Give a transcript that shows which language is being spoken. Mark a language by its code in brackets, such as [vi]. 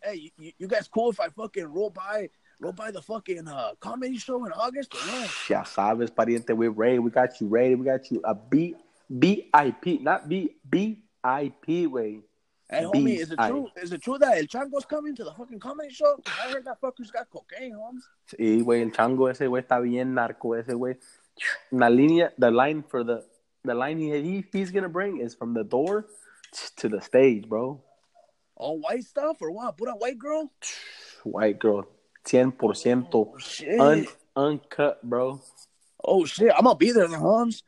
[en] Hey, you guys cool if I fucking roll by the fucking comedy show in August or what? [es] Ya sabes, pariente. [en] We're ready. We got you ready. We got you a beat. B-I-P, not B-I-P, way. Hey, homie, is it true that El Chango's coming to the fucking comedy show? I heard that fucker's got cocaine, homes. [es] Sí, güey, El Chango, ese güey está bien narco, ese güey. [en] The line he's going to bring is from the door to the stage, bro. All white stuff or what? Put a white girl? White girl, 100%. Oh, shit. Uncut, bro. Oh shit! I'm gonna be there, then, Holmes.